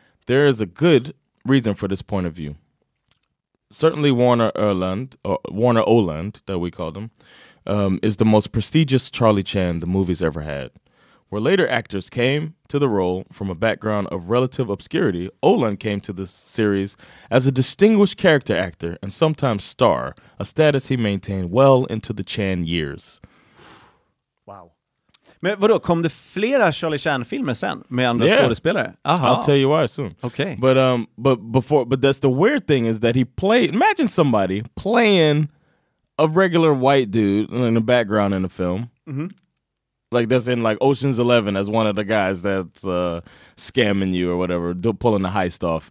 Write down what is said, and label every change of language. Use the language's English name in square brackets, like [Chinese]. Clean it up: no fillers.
[English] There is a good reason for this point of view. Certainly Warner Ölund, that we call them, is the most prestigious Charlie Chan the movies ever had. Where later actors came to the role from a background of relative obscurity, Ölund came to the series as a distinguished character actor and sometimes star, a status he maintained well into the Chan years. Wow. [Swedish] Men vadå, kom det flera Charlie Chan-filmer sen med andra skådespelare? [English] Aha. I'll tell you why soon. Okay. But that's the weird thing is that he played, imagine somebody playing a regular white dude in the background in the film. Mm-hmm. Like, that's in, like, Ocean's 11 as one of the guys that's scamming you or whatever, pulling the heist off.